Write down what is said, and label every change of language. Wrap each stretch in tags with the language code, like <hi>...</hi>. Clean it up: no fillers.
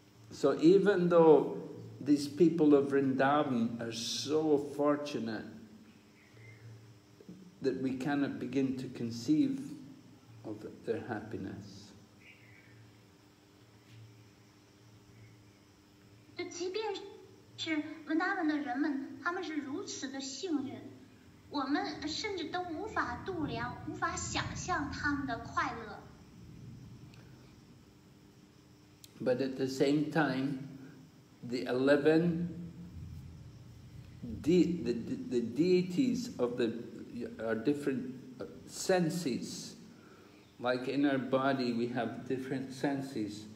<en>So even though these people of Vrindavan are so fortunate that we cannot begin to conceive of their happiness.</en> <zh>我们甚至都无法度量，无法想象他们的快乐。</zh> <en>But at the same time, the 11 deities of the our different senses. Like in our body, we have different senses.</en>